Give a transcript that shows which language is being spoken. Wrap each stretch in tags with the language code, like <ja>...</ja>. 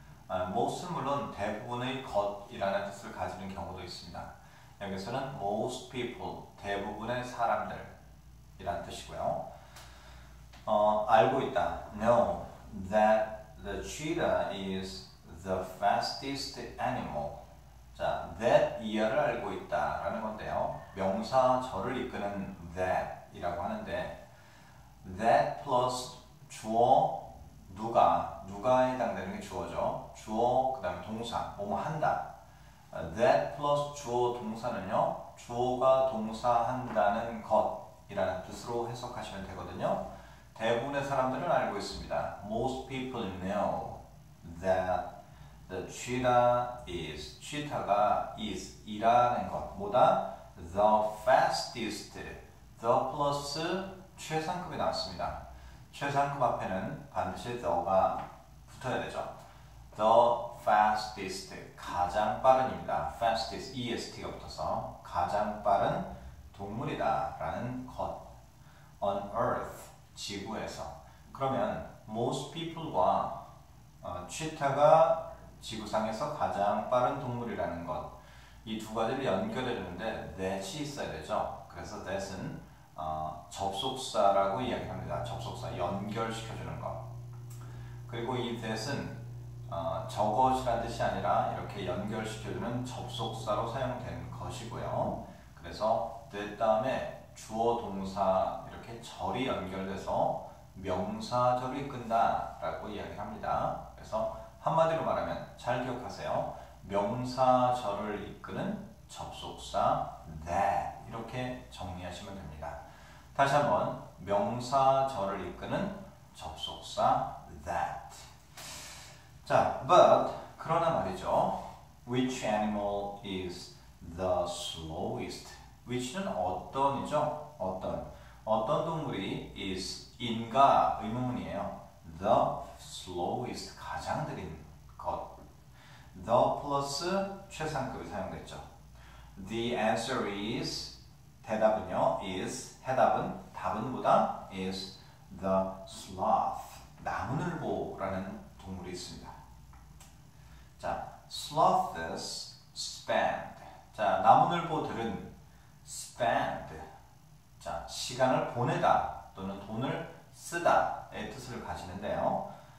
<ko>Most는 물론 대부분의 것이라는 뜻을 가지는 경우도 있습니다. 여기서는</ko> <en>most people.</en> <ko>대부분의 사람들. 이란 뜻이고요. 알고 있다.</ko> <en>Know that the cheetah is the fastest animal.</en> <ko>자, that year를 알고 있다라는 건데요. 명사 절을 이끄는 that이라고 하는데 that plus 주어 누가에 해당되는 게 주어죠. 주어 그다음 동사 뭐뭐 한다. That plus 주어 동사는요. 주어가 동사한다는 것. 이라는 뜻으로 해석하시면 되거든요. 대부분의 사람들은 알고 있습니다.</ko> <en>Most people know that the cheetah is, cheetah가 is,</en> <ko>이라는 것, 뭐다?</ko> <en>The fastest, the plus</en> <ko>최상급이 나왔습니다. 최상급 앞에는 반드시 the가 붙어야 되죠.</ko> <en>The fastest,</en> <ko>가장 빠른입니다. Fastest, EST가 붙어서 가장 빠른 동물이다라는 것.</ko> <en>On Earth,</en> <ko>지구에서. 그러면 most people과 cheetah가 지구상에서 가장 빠른 동물이라는 것. 이두 가지를 연결해주는데 that이 있어야 되죠. 그래서 that은 접속사라고 이야기합니다. 접속사, 연결시켜주는 것. 그리고 이 that은 저것이라는 뜻이 아니라 이렇게 연결시켜주는 접속사로 사용된 것이고요. 그래서 that 다음에 주어 동사 이렇게 절이 연결돼서 명사절이 끈다라고 이야기합니다. 그래서 한마디로 말하면 잘 기억하세요. 명사절을 이끄는 접속사 that 이렇게 정리하시면 됩니다. 다시 한번 명사절을 이끄는 접속사 that. 자, but 그러나 말이죠.</ko> <en>Which animal is the slowest?</en> <ko>Which는 어떤이죠? 어떤 동물이 is 인가 의문문이에요.</ko> <en>The slowest</en> <ko>가장 느린 것. The plus 최상급이 사용됐죠.</ko> <en>The answer is</en> <ko>대답은요. is 해답은 답은 뭐다?</ko> <en>is the sloth</en> <ko>나무늘보라는 동물이 있습니다.</ko> <en>자, sloths spend.</en> <ko>자, 나무늘보들은 spend. 자, 시간을 보내다 또는 돈을 쓰다의 뜻을 가지는데요.</ko>